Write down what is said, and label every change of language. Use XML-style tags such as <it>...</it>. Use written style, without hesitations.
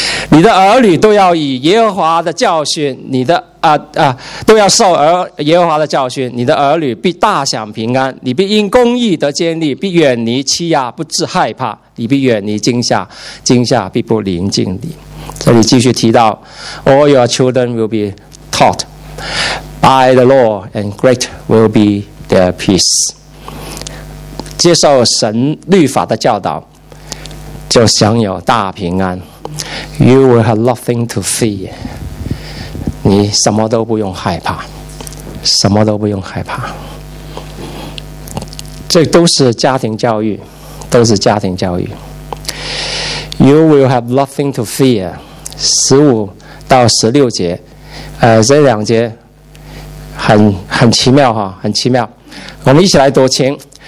<zh>你的儿女都要以耶和华的教训，你的都要受耶和华的教训，你的儿女必大享平安，你必因公义得坚立，必远离欺压，不致害怕，你必远离惊吓，惊吓必不临近你。这里继续提到</zh> <en>All your children will be taught by the law, and great will be their peace.</en> <zh>接受神律法的教导，就享有大平安。</zh> <en>You will have nothing to fear.</en> <zh>你什么都不用害怕，什么都不用害怕。这都是家庭教育，都是家庭教育。</zh> <en>You will have nothing to fear，</en> <zh>15到16节，这两节很奇妙哈，很奇妙。我们一起来读，请。</zh>